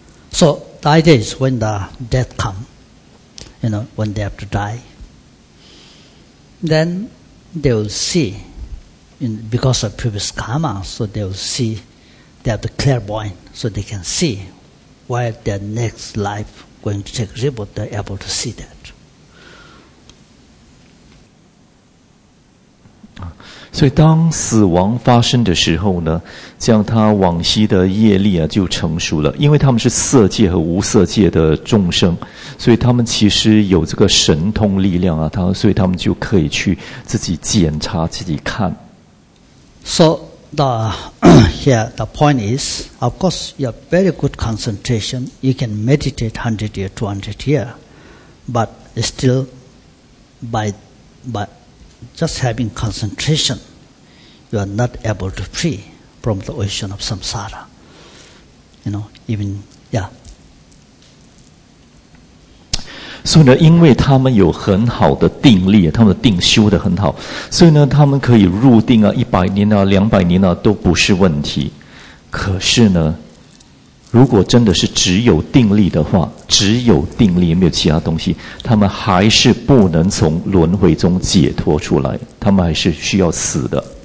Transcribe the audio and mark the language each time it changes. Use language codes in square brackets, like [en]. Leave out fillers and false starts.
[en] So the idea is when the death comes. You know, when they have to die, then they will see, because of previous karma, so they will see, they have the clairvoyant, so they can see where their next life going to take rebirth, they're able to see that. [zh] 所以当死亡发生的时候呢，像他往昔的业力啊就成熟了，因为他们是色界和无色界的众生，所以他们其实有这个神通力量啊，所以他们就可以去自己检查自己看。 [en] So the here the point is, of course, you have very good concentration. You can meditate 100 years, 200 years, but still by just having concentration, you are not able to free from the ocean of samsara. You know, even yeah. [zh] So 呢，因为他们有很好的定力，他们的定修得很好，所以呢，他们可以入定啊，100年啊，200年啊，都不是问题。可是呢，如果真的是只有定力的话，只有定力没有其他东西，他们还是不能从轮回中解脱出来，他们还是需要死的。